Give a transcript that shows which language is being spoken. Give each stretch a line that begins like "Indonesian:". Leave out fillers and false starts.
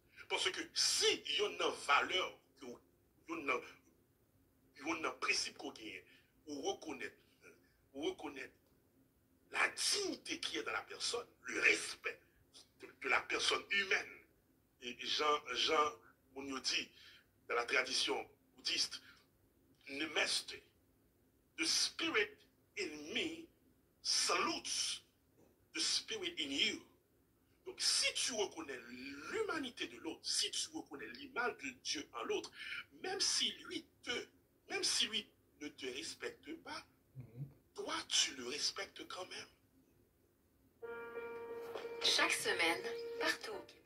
French: Parce que si yon nan valeur yon nan principe qu'on gagne ou reconnaître la dignité qui est dans la personne, le respect de la personne humaine. Et Jean on nous dit dans la tradition bouddhiste Namaste.
English: The spirit in me salutes the spirit in you.
French: Donc, si tu reconnais l'humanité de l'autre, si tu reconnais l'image de Dieu en l'autre, même si lui ne te respecte pas, toi, tu le respectes quand même. chaque semaine, partout.